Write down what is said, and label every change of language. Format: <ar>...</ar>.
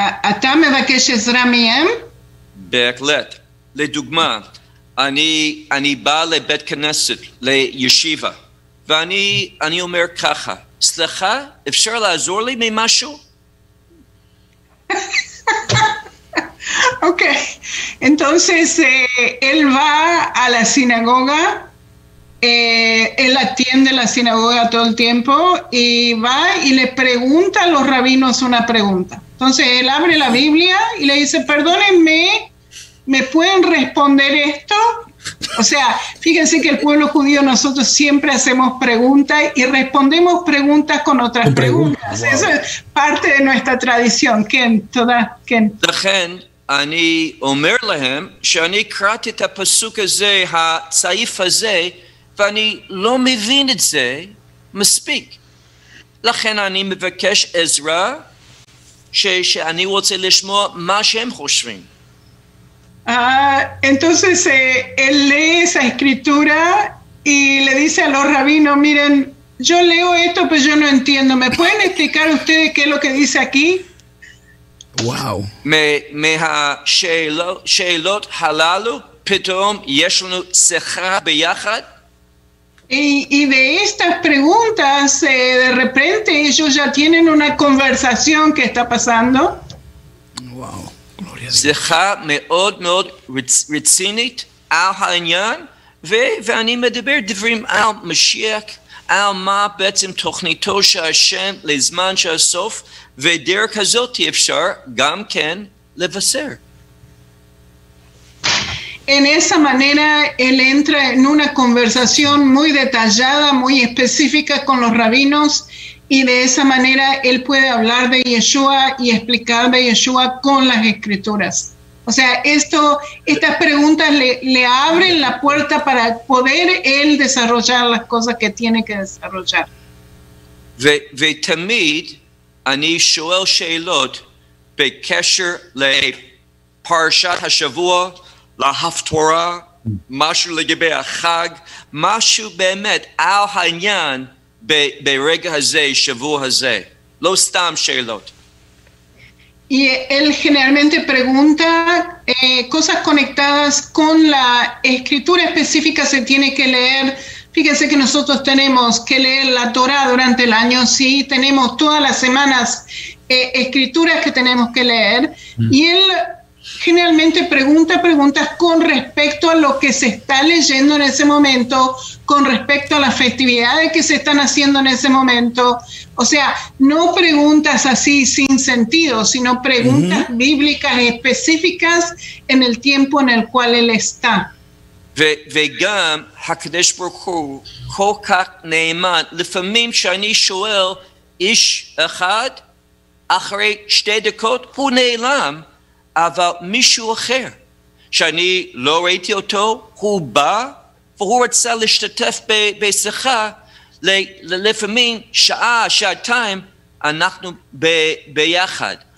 <he>אתה מבקש עזרה מהם? בהחלט. לדוגמה, אני בא לבית כנסת, לישיבה, ואני אומר ככה, סליחה, אפשר לעזור לי ממשהו?</he> <es>Okay, entonces él va a la sinagoga, él atiende la sinagoga todo el tiempo y va y le pregunta a los rabinos una pregunta. Entonces él abre la Biblia y le dice, perdónenme, ¿me pueden responder esto? O sea, fíjense que el pueblo judío, nosotros siempre hacemos preguntas y respondemos preguntas con otras preguntas. Wow. Eso es parte de nuestra tradición.</es> <he>Ken, toda, Ken.</he> <es>La gente.</es> <he>אני אומר להם שאני קראתי את הפסוק הזה, הצעיף הזה, ואני לא מבין את זה מספיק. לכן אני מבקש עזרה שאני רוצה לשמוע מה שהם חושבים.</he> <es>Entonces, él lee esa escritura y le dice a los rabinos, miren, yo leo esto, pero yo no entiendo. ¿Me pueden explicar ustedes qué es lo que dice aquí?</es> <he>וואו. מהשאלות הללו פתאום יש לנו שיחה ביחד?</he> <es>Y de estas preguntas, de repente ellos ya tienen una conversación que está pasando.</es> <he>וואו. שיחה מאוד מאוד רצינית על העניין, ואני מדבר דברים על משיח, על מה בעצם תוכניתו של השם לזמן של הסוף, ודרך הזאת אפשר גם כן לבשר.</he> <es>En esa manera él entra en una conversación muy detallada, muy específica con los rabinos, y de esa manera él puede hablar de Yeshua y explicar de Yeshua con las escrituras. O sea, estas preguntas le abren la puerta para poder él desarrollar las cosas que tiene que desarrollar.</es> <he>ותמיד אני שואל שאלות בקשר לפרשת השבוע, להפטורה, משהו לגבי החג, משהו באמת על העניין ברגע הזה, שבוע הזה. לא סתם שאלות.</he> <es>Y él generalmente pregunta cosas conectadas con la escritura específica, se tiene que leer. Fíjense que nosotros tenemos que leer la Torah durante el año, sí, tenemos todas las semanas escrituras que tenemos que leer. Y él generalmente pregunta con respecto a lo que se está leyendo en ese momento, con respecto a las festividades que se están haciendo en ese momento. O sea, no preguntas así sin sentido, sino preguntas bíblicas específicas en el tiempo en el cual él está.</es> <he>וגם הקדש ברוך הוא כל כך נאמן, לפעמים שאני שואל איש אחד, אחרי שתי דקות הוא נעלם, אבל מישהו אחר שאני לא ראיתי אותו, הוא בא והוא רצה להשתתף בשיחה לפעמים שעה, שעתיים, אנחנו ביחד.</he>